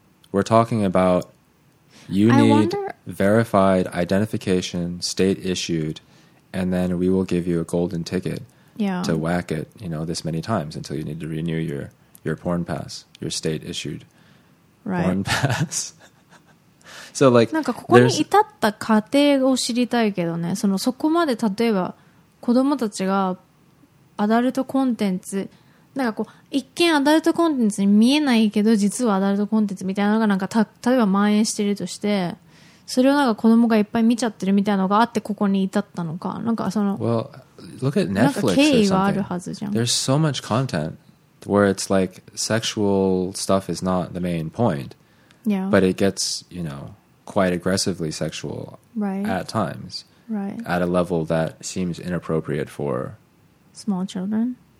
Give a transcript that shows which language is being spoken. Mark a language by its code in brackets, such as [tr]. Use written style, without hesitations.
[en] We're talking about you need verified identification, state issued. And then we will give you a golden ticket to whack it, you know, this many times until you need to renew your porn pass, your state-issued porn pass. So, like, [ja] なんかここに至った過程を知りたいけどね。そのそこまで例えば子供たちがアダルトコンテンツ、なんかこう一見アダルトコンテンツに見えないけど実はアダルトコンテンツみたいなのがなんか例えば蔓延しているとして。それをなんか子供がいっぱい見ちゃってるみたいなのがあってここに至ったのか、なんかその、 [en] well, look at Netflix [ja] なんか経緯があるはずじゃん。 [en] There's so much content where it's like sexual stuff is not the main point, yeah. But it gets you know quite aggressively sexual, right. At times, right. At a level that seems inappropriate for small children,